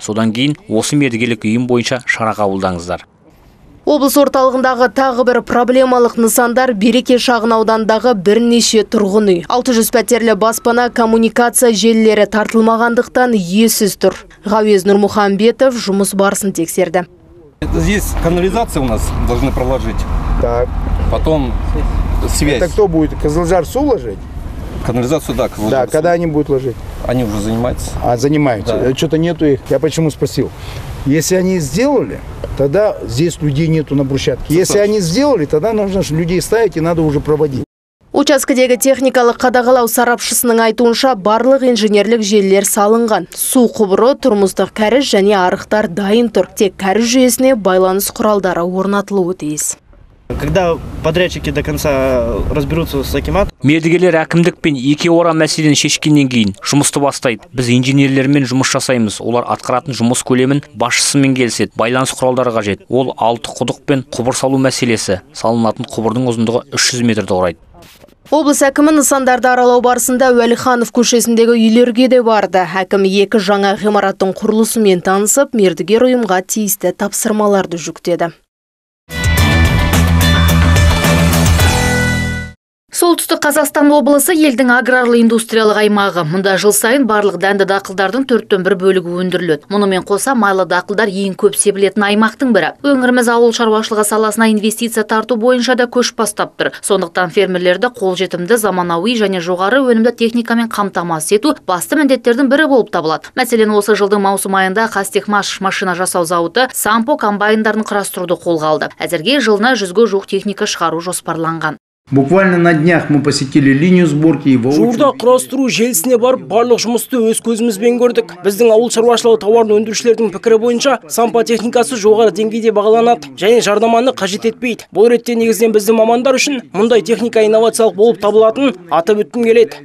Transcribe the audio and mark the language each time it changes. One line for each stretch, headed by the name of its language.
Kazakh: Содан кейін осы мердігерлік ұйым бойынша шара қабылдаңыздар. Облыс орталығындағы тағы бір проблемалық нысандар Береке шағын аудандағы бірнеше тұрғын үй. 600 пәтерлі баспана коммуникация желілері тартылмағандықтан иесіз тұр. Ғауез Нұрмұхамбетов жұмыс барысын тексерді.
Russian: Здесь канализация у нас должны проложить. Так. Потом связь. Это кто будет? Қызылжар су ложить? Канализацию, да. Да, когда они будут ложить? Они уже занимаются. А, занимаются. Да. Что-то нету их. Я почему спросил? Если они сделали, тогда здесь людей нету на брусчатке. Если они сделали, тогда нужно людей ставить и надо уже проводить.
Kazakh: Учаскедегі техникалық қадағалау сарапшысының айтуынша барлық инженерлік желілер салынған. Су құбыры, тұрмыстық кәріз және арықтар дайын тұр. Тек кәріз жүйесіне байланыс құралдары орнатылуы тиіс.
Russian: Когда подрядчики до конца разберутся с акимат?
Kazakh: Мердігерлер әкімдікпен еке ора мәселен шешкеннен кейін жұмысты бастайды. Біз инженерлермен жұмыс жасаймыз. Олар атқаратын жұмыс көлемін басшысымен келсет. Байланыс құралдары қажет. Ол 6 құдық пен құбыр салу мәселесі. Салынатын құбырдың ұзындығы 300 метрді құрайды. Облыс әкімі нысандарды аралау барысында Уәлиханов көшесіндегі үйлерге де барды. Әкім екі жаңа ғимараттың құрылысымен танысып, мердігер ұйымға тиісті тапсырмаларды жүктеді. Солтүстік Қазақстан облысы елдің аграрлы индустриялық аймағы. Мұнда жыл сайын барлық дәнді дақылдардың 1/4 бөлігі өндіріледі. Мұнымен қоса майлы дақылдар ең көп себілетін аймақтың бірі. Өңіріміз ауыл шаруашылығы саласына инвестиция тарту бойынша да көш бастап тұр. Сондықтан фермерлерді қолжетімді заманауи және жоғары өнімді техникамен қамтамасыз ету басты міндеттердің бірі болып табылады. Мәселен, осы жылдың маусым айында Қазтехмаш машина жасау зауыты Сампо комбайндарын құрастыруды қолға алды. Әзірге жылына 100-ге жуық техника шығару жоспарланған.
Russian: Буквально на днях мы посетили линию сборки и воочию.
Kazakh: Жуырда құрастыру желісіне барып, барлық жұмысты өз көзімізбен көрдік. Біздің ауыл шаруашылығы тауарын өндірушілердің пікірі бойынша, сампа техникасы жоғары деңгейде бағаланады және жарнаманы қажет етпейді. Бұл ретте негізінен біздің мамандар үшін мұндай техника инновациялық болып табылатын атап өткім келеді.